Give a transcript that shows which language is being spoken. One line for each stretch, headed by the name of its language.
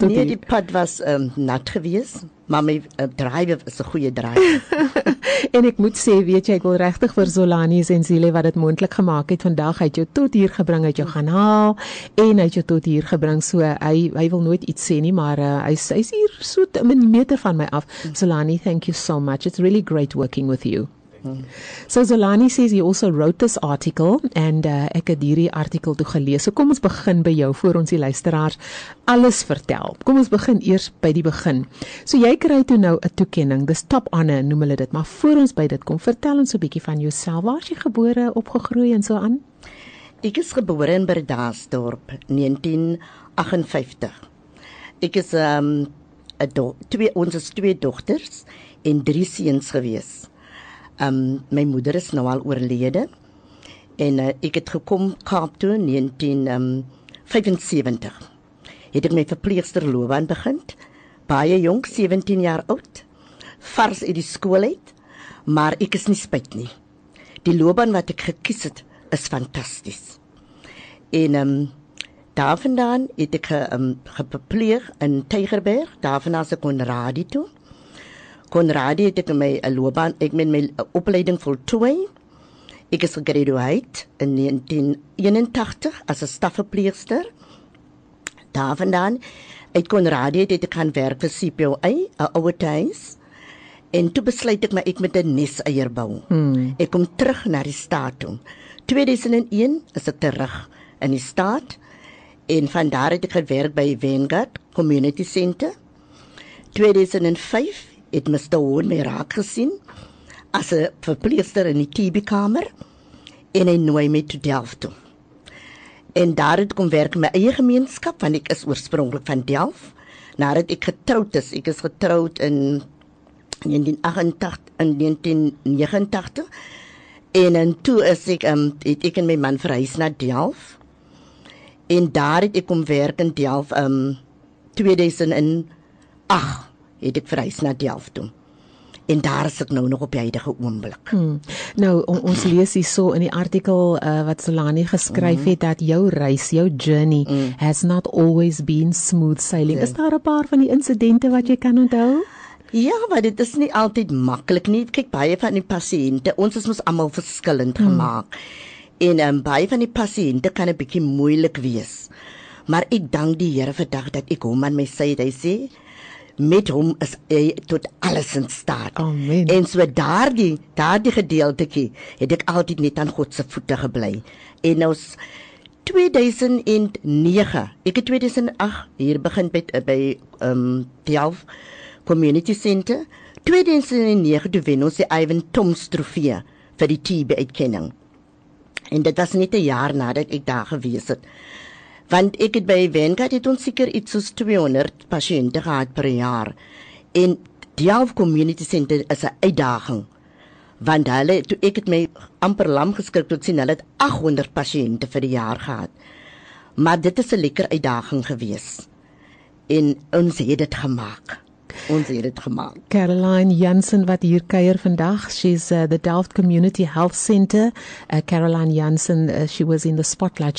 Afrikaans: Nee, die pad was nat gewees, maar my drive is 'n goeie drive. En ek moet sê, weet jy, ek wil regtig vir Zolani Zenzile wat dit moontlik gemaak het vandag, hy het jou tot hier gebring, hy het jou gaan haal, en hy het jou tot hier gebring, so hy wil nooit iets sê nie, maar hy is hier so 'n meter van my af.
English: Zolani, thank you so much, it's really great working with you. So Zolani says he also wrote this article
Afrikaans: and ek het hierdie artikel toe gelees. So kom ons begin by jou voor ons die luisteraars alles vertel. Kom ons begin eers by die begin. So jy kry toe nou 'n toekenning, dis top honor noem hulle dit, maar voor ons by dit kom, vertel ons 'n bietjie van jouself. Waar is jy gebore, opgegroei en so aan? Ek is gebore in Bredasdorp, 1958. Ek is ons is twee dogters en drie seuns gewees. My moeder is nou al oorlede en ek het gekom Kaap toe in 1975. Het ek my verpleegster loopbaan begin, baie jong, 17 jaar oud, vars uit die skool uit, maar ek is nie spyt nie. Die loopbaan wat ek gekies het, is fantasties. En daarvandaan het ek gepleeg in Tygerberg, daarvandaan se Conradie toe. Conradie het ek my opleiding voltooi. Ek is gegradueerd in 1981 as 'n stafverpleegster. Daarvandaan uit Conradie het ek gaan werk vir CPOA, 'n ouerhuis. En toe besluit ek my ek met 'n nes eier bou. Ek kom terug na die staat toe. 2001 is ek terug in die staat en van daar het ek gewerk by Vanguard Community Center. 2005 het Mr. Hoon my raak gesien as 'n verpleegster in die TB-kamer en hy nooi my toe Delft toe. En daar het kom werk in my eie gemeenskap, want ek is oorspronkelijk van Delft, nadat ek getroud is. Ek is getroud in 1989 en toe is ek, het ek en my man verhuis na Delft en daar het ek kom werk in Delft 2008 het ek verhuis na Delft toe. En daar is ek nou nog op die huidige oomblik. Nou, ons lees hier so in die artikel wat Zolani geskryf het, dat jou reis, jou
English: journey has not always been smooth sailing.
Afrikaans: Nee. Is daar 'n paar van die incidente wat jy kan onthou? Ja, maar dit is nie altyd makkelijk nie. Kyk, baie van die pasiënte, ons is ons allemaal verskillend gemaakt. En baie van die pasiënte kan 'n bietjie moeilik wees. Maar ek dank die Here vir dag dat ek hom aan my sy het, hy sê, met hom is hy tot alles in staat. Amen. En so daardie gedeeltekie het ek altyd net aan God se voete gebly. En nou 2009, ek het 2008 hier begin by Delft Community Center. 2009 toe wen ons die Ivan Toms trofee vir die TB uitkenning. En dit was net 'n jaar nadat ek daar gewees het. Want ek het by Vanguard het ons seker iets soos 200 pasiënte gehad per jaar. En die Delft Community Center is 'n uitdaging. Want hulle, toe ek het my amper lam geskrik, toe ek sien, hulle het 800 pasiënte vir die jaar gehad. Maar dit is 'n lekker uitdaging gewees. En ons het dit gemaak. Ons het dit gemaak. Caroline Jansen wat hier kuier vandag.
English: She's the Delft Community Health Center. Caroline Jansen, she was in the spotlight.